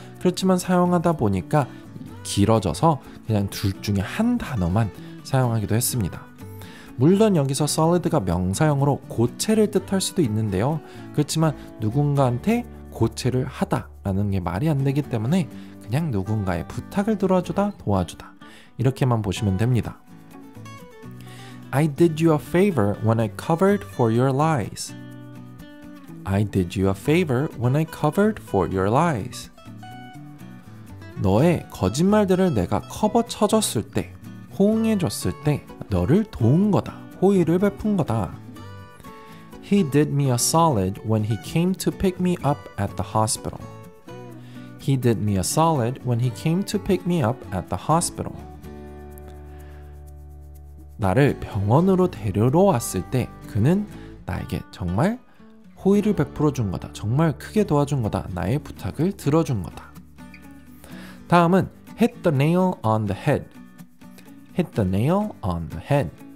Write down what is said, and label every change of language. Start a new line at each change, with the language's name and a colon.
Korean: 그렇지만 사용하다 보니까 길어져서 그냥 둘 중에 한 단어만 사용하기도 했습니다. 물론 여기서 solid가 명사형으로 고체를 뜻할 수도 있는데요. 그렇지만 누군가한테 고체를 하다 라는 게 말이 안 되기 때문에 그냥 누군가의 부탁을 들어주다, 도와주다 이렇게만 보시면 됩니다.
English: I did you a favor when I covered for your lies. I did you a favor when I covered for your lies.
Korean: 너의 거짓말들을 내가 커버 쳐줬을 때, 호응해줬을 때 너를 도운 거다, 호의를 베푼 거다.
English: He did me a solid when he came to pick me up at the hospital. He did me a solid when he came to pick me up at the hospital.
Korean: 나를 병원으로 데려러 왔을 때 그는 나에게 정말 호의를 베풀어 준 거다, 정말 크게 도와준 거다, 나의 부탁을 들어준 거다. 다음은
English: hit the nail on the head.
Korean: Hit the nail on the head.